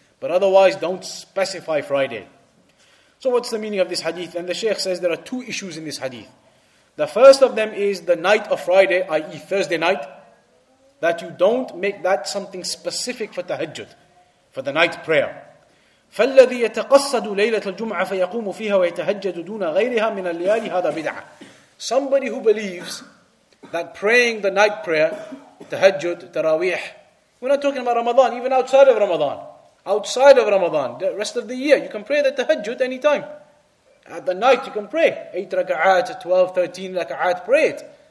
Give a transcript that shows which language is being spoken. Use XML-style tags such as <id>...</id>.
<en>But otherwise, don't specify Friday. So what's the meaning of this hadith? And the Shaykh says there are two issues in this hadith. The first of them is the night of Friday, i.e. Thursday night. that you don't make that something specific for tahajjud, for the night prayer.</en> <ar>فالذي يتقصد ليلة الجمعة فيقوم فيها ويتهجد دون غيرها من الليالي هذا بدعة.</ar> <en>Somebody who believes that praying the night prayer, tahajjud, taraweeh, we're not talking about Ramadan, even outside of Ramadan. Outside of Ramadan, the rest of the year, you can pray the tahajjud anytime. At the night, you can pray. 8 raka'at, 12, 13 raka'at, pray it.</en>